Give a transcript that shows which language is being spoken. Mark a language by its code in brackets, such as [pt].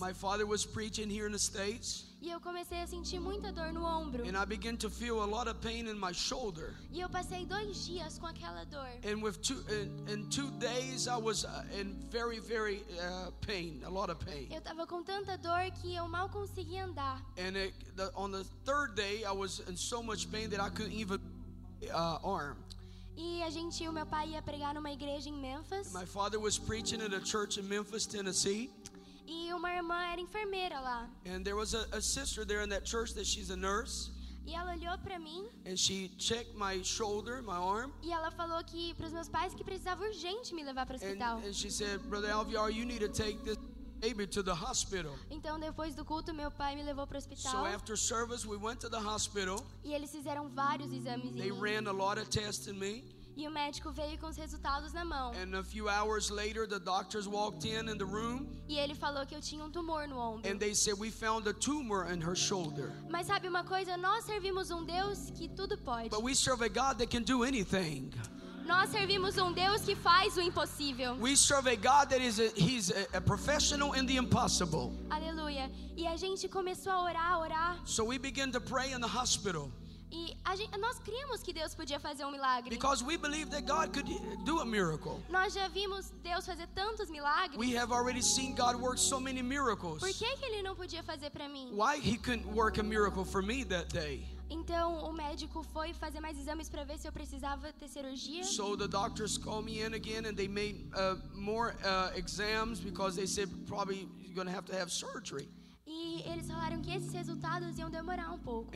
[en] My father was preaching here in the States. [pt] E eu comecei a sentir muita dor no ombro. [en] And I began to feel a lot of pain in my shoulder. [pt] E eu passei 2 dias com aquela dor. [en] And with two days I was in very very pain, a lot of pain. [pt] Eu estava com tanta dor que eu mal conseguia andar. [en] And on the third day I was in so much pain that I couldn't even arm. [pt] E a gente, o meu pai ia pregar numa igreja em Memphis. [en] My father was preaching at a church in Memphis, Tennessee. [pt] E uma irmã era enfermeira lá. [en] And there was a sister there in that church that she's a nurse. [pt] E ela olhou para mim. [en] And she checked my shoulder, my arm. [pt] E ela falou que pros meus pais que precisava urgente me levar para o hospital. [en] And she said, Brother Alvear, you need to take this baby to the hospital. [pt] Então depois do culto meu pai me levou pro hospital. [en] So after service we went to the hospital. [pt] E eles fizeram vários exames em mim. [en] They ran a lot of tests in me. [pt] E o médico veio com os resultados na mão. [en] And a few hours later the doctors walked in the room. [pt] E ele falou que eu tinha um tumor no ombro. [en] And they said we found a tumor in her shoulder. [pt] Mas sabe uma coisa, nós servimos Deus que tudo pode. [en] But we serve a God that can do anything. [pt] Nós servimos Deus que faz o impossível. [en] We serve a God that is he's a professional in the impossible. [pt] Aleluia. E a gente começou a orar. [en] So we began to pray in the hospital. [pt] E a gente, nós criamos que Deus podia fazer um milagre. [en] Because we believe that God could do a miracle. [pt] Nós já vimos Deus fazer tantos milagres. [en] We have already seen God work so many miracles. [pt] Por que ele não podia fazer para mim? [en] Why he couldn't work a miracle for me that day? [pt] Então o médico foi fazer mais exames para ver se eu precisava ter cirurgia. [en] So the doctors called me in again and they made more exams because they said probably you're going to have surgery. [pt] E eles falaram que esses resultados iam demorar um pouco.